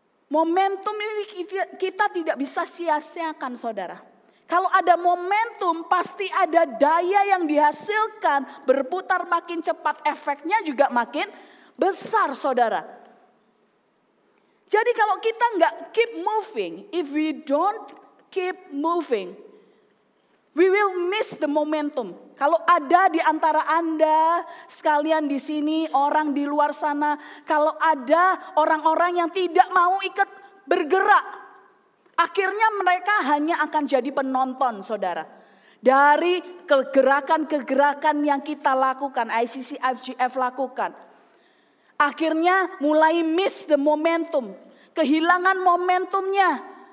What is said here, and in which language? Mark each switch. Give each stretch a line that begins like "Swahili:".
Indonesian: Momentum ini kita tidak bisa sia-siakan, saudara. Kalau ada momentum, pasti ada daya yang dihasilkan, berputar makin cepat, efeknya juga makin besar, saudara. Jadi kalau kita enggak
English: keep moving, if we don't keep moving, we will miss the momentum.
Indonesian: Kalau ada di antara Anda, sekalian di sini, orang di luar sana, kalau ada orang-orang yang tidak mau ikut bergerak, akhirnya mereka hanya akan jadi penonton, saudara. Dari kegerakan-kegerakan yang kita lakukan, ICC FGF lakukan, akhirnya mulai
English: miss the momentum,
Indonesian: kehilangan momentumnya.